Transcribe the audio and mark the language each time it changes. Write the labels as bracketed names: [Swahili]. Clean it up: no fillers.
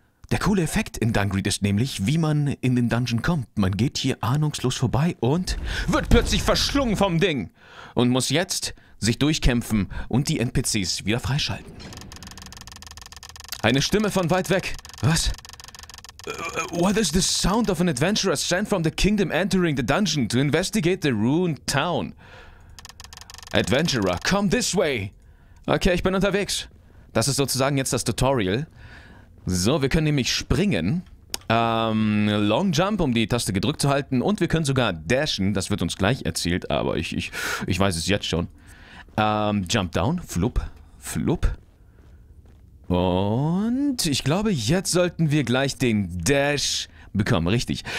[German] Der coole Effekt in Dungreed ist nämlich, wie man in den Dungeon kommt. Man geht hier ahnungslos vorbei und wird plötzlich verschlungen vom Ding. Und muss jetzt sich durchkämpfen und die NPCs wieder freischalten. Eine Stimme von weit weg. Was? [English] What is the sound of an adventurer sent from the kingdom entering the dungeon to investigate the ruined town? Adventurer, come this way! [German] Okay, ich bin unterwegs. Das ist sozusagen jetzt das Tutorial. So, wir können nämlich springen. Long Jump, um die Taste gedrückt zu halten. Und wir können sogar dashen, das wird uns gleich erzählt, aber ich weiß es jetzt schon. Jump down, flup, flup. Und ich glaube, jetzt sollten wir gleich den Dash bekommen, richtig.